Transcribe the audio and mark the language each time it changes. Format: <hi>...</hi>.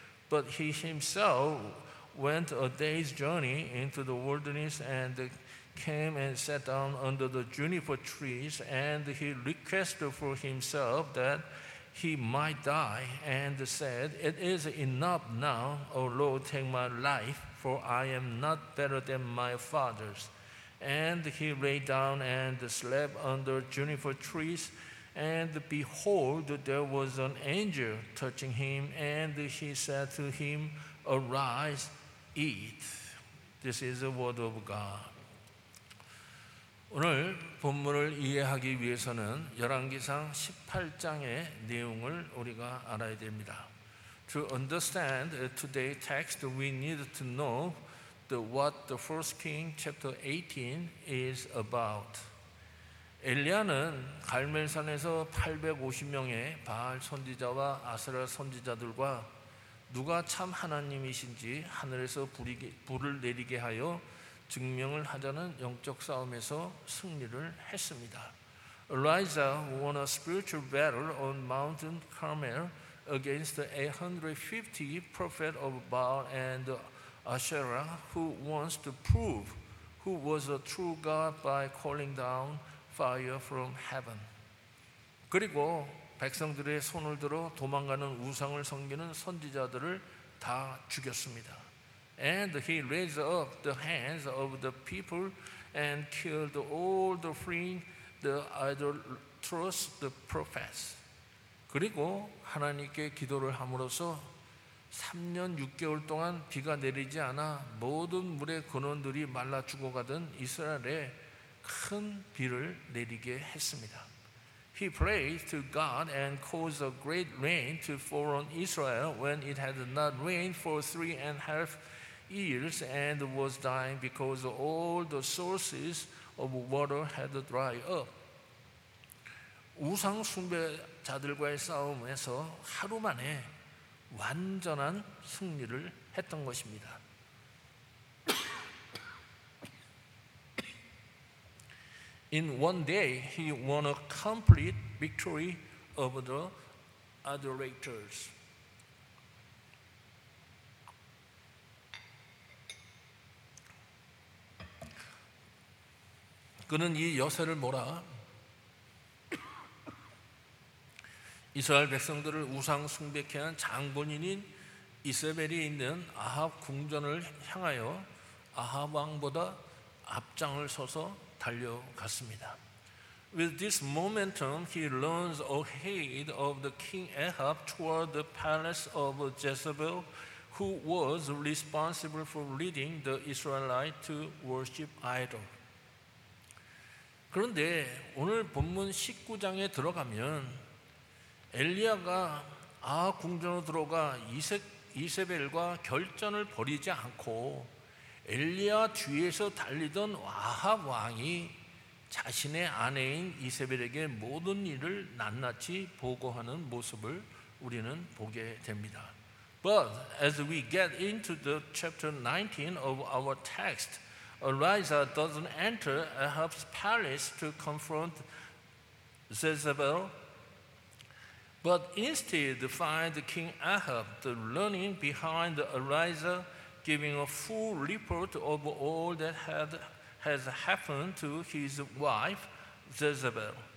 <en>But he himself went a day's journey into the wilderness and came and sat down under the juniper trees, and he requested for himself that he might die, and said, It is enough now, O Lord, take my life, for I am not better than my fathers. And he lay down and slept under juniper trees, and behold, there was an angel touching him, and he said to him, Arise, eat. This is the word of God.</en> <ko>오늘 본문을 이해하기 위해서는 열왕기상 18장의 내용을 우리가 알아야 됩니다.</ko> <en>To understand today's text, we need to know what the First Kings chapter 18 is about.</en> <ko>엘리야는 갈멜산에서 850명의 바알 선지자와 아세라 선지자들과 누가 참 하나님이신지 하늘에서 불을 내리게 하여 증명을 하자는 영적 싸움에서 승리를 했습니다.</ko> <en>Elisha won a spiritual battle on Mount Carmel against the 850 prophets of Baal and Asherah who wants to prove who was a true God by calling down fire from heaven.</en> <ko>그리고 백성들의 손을 들어 도망가는 우상을 섬기는 선지자들을 다 죽였습니다.</ko> <en>And he raised up the hands of the people and killed all the fleeing, the idolatrous, the prophets.</en> <ko>그리고 하나님께 기도를 함으로써 3년 6개월 동안 비가 내리지 않아 모든 물의 근원들이 말라 죽어가던 이스라엘에 큰 비를 내리게 했습니다.</ko> <en>He prayed to God and caused a great rain to fall on Israel when it had not rained for 3.5 years and was dying because all the sources of water had dried up.</en> <ko>우상 숭배자들과의 싸움에서 하루 만에 완전한 승리를 했던 것입니다.</ko> <en>In one day, he won a complete victory over the idolaters.</en> <ko>그는 이 여세를 몰아 이스라엘 백성들을 우상 숭배케 한 장본인인 이세벨이 있는 아합 궁전을 향하여 아합 왕보다 앞장을 서서 달려갔습니다.</ko> <en>With this momentum, he runs ahead of the king Ahab toward the palace of Jezebel, who was responsible for leading the Israelites to worship idols.</en> <ko>그런데 오늘 본문 19장에 들어가면 엘리야가 아합 궁전으로 들어가 이세벨과 결전을 벌이지 않고 엘리야 뒤에서 달리던 아합 왕이 자신의 아내인 이세벨에게 모든 일을 낱낱이 보고하는 모습을 우리는 보게 됩니다.</ko> <en>But as we get into the chapter 19 of our text, Elijah doesn't enter Ahab's palace to confront Jezebel, but instead find King Ahab the learning behind Elijah giving a full report of all that has happened to his wife, Jezebel.</en>